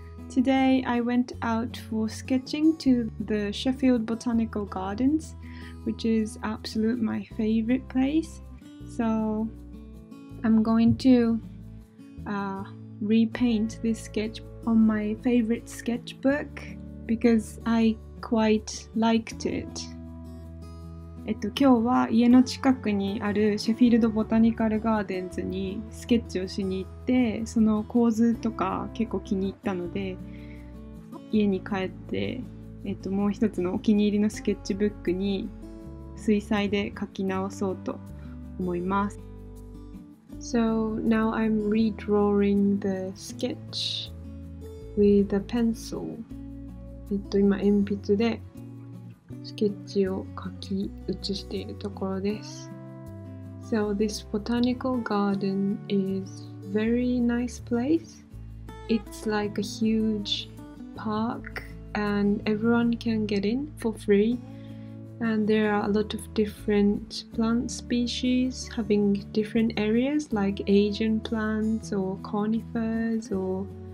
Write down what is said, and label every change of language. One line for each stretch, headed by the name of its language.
English: Today I went out for sketching to the Sheffield Botanical Gardens, which is absolutely my favorite place. So I'm going to repaint this sketch on my favorite sketchbook because I quite liked it.
Japanese: 今日は家の近くにあるシェフィールドボタニカルガーデンズにスケッチをしに行って、その構図とか結構気に入ったので、家に帰って、もう一つのお気に入りのスケッチブックに水彩で描き直そうと思います。
English: So now I'm redrawing the sketch with a pencil.
Japanese: 今鉛筆でスケッチを描き写しているところです。
English: So this botanical garden is very nice place. It's like a huge park and everyone can get in for free. And there are a lot of different plant species having different areas like Asian plants or conifers or...